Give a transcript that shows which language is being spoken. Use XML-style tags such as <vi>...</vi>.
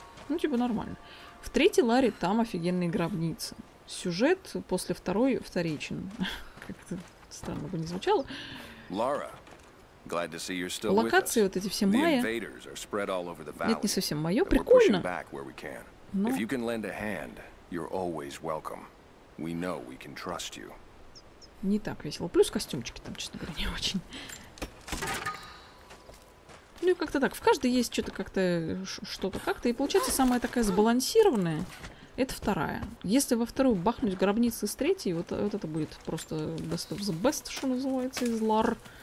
<ru>Ну, типа нормально. В третьей Ларе там офигенные гробницы. Сюжет после второй вторичен. Как-то странно бы не звучало.</ru> <en>Лара, glad to see you're still with us.</en> <ru>Локации вот эти все майя. Нет, не совсем мое. Прикольно.</ru> <en>If you can lend a hand, you're always welcome. We know we can trust you.</en> <ru>Не так весело. Плюс костюмчики там, честно говоря, не очень. Ну и как-то так. В каждой есть что-то как-то, что-то как-то. И получается самая такая сбалансированная. Это вторая. Если во вторую бахнуть гробницы с третьей, вот это будет просто</ru> <en>best of the best,</en> <ru>что называется, из лар.</ru>